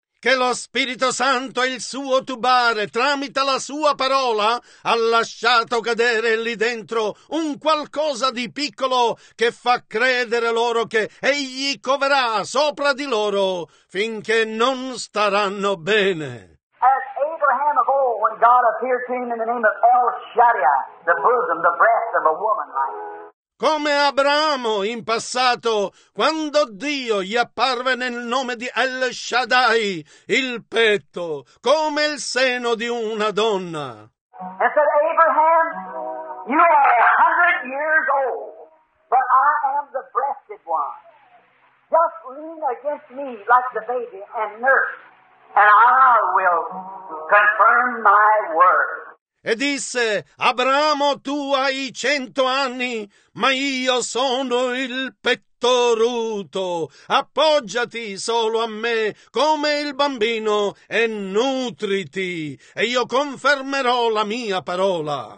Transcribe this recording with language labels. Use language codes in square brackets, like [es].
[it] Che lo Spirito Santo e il suo tubare, tramite la sua parola, ha lasciato cadere lì dentro un qualcosa di piccolo che fa credere loro che egli coverà sopra di loro finché non staranno bene. [en] As Abraham of old, when God appeared to him in the name of El Shaddai, the bosom, the breast of a woman like. [it] Come Abramo in passato, quando Dio gli apparve nel nome di El Shaddai, il petto, come il seno di una donna. [en] And said, Abraham, you are 100 years old, but I am the breasted one. Just lean against me like the baby and nurse, and I will confirm my word. [it] E disse, Abramo, tu hai 100 anni, ma io sono il pettoruto. Appoggiati solo a me come il bambino e nutriti, e io confermerò la mia parola.